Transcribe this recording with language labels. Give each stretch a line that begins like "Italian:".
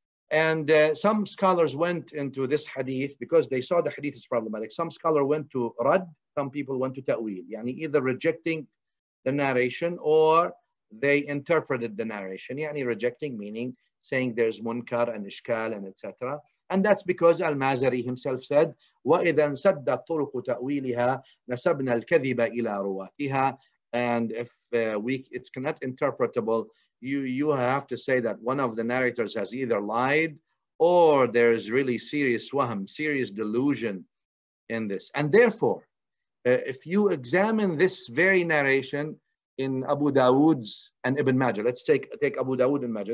English: And some scholars went into this hadith because they saw the hadith is problematic. Some scholar went to Rad, some people went to Ta'wil, yani either rejecting the narration or they interpreted the narration, yani rejecting meaning saying there's munkar and ishkal and etc. And that's because Al-Mazari himself said,
Arabic: وَإِذَا سَدَّ طُرُقُ تَأْوِيلِهَا نَسَبْنَا الْكَذِبَ إِلَىٰ رُوَاتِهَا.
English: And if it's not interpretable, you have to say that one of the narrators has either lied or there is really serious wahm, serious delusion in this. And therefore, if you examine this very narration in Abu Dawood's and Ibn Majah, let's take Abu Dawood and Majah.